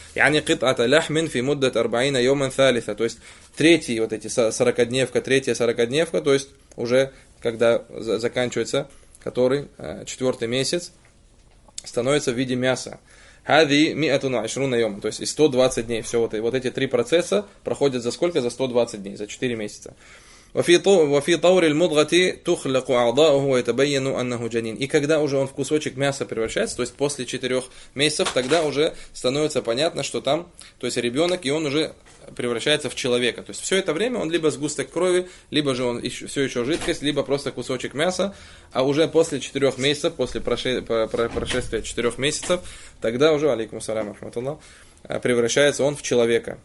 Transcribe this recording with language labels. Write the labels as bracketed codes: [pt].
[ar] Яъни кытъата лахмин фи муддат 40 йоман саллиса, [ru] то есть третий вот эти 40-дневка, третья 40-дневка, то есть уже когда заканчивается, который четвертый месяц, становится в виде мяса. [ar] Хази миъату ва ашруна йоман, [ru] то есть и 120 дней, все вот эти три процесса проходят за сколько? За 120 дней, за 4 месяца. [ar] وفي طور المضغة تخلق أعضاؤه ويتبين أنه جنين. [ru] И когда уже он в кусочек мяса превращается, то есть после 4 месяцев, тогда уже становится понятно, что там, то есть ребенок, и он уже превращается в человека. То есть все это время он либо сгусток крови, либо же он все еще жидкость, либо просто кусочек мяса, а уже после 4 месяцев, после прошествия 4 месяцев, тогда уже, алейкум ассалям, рахматуллах, превращается он в человека.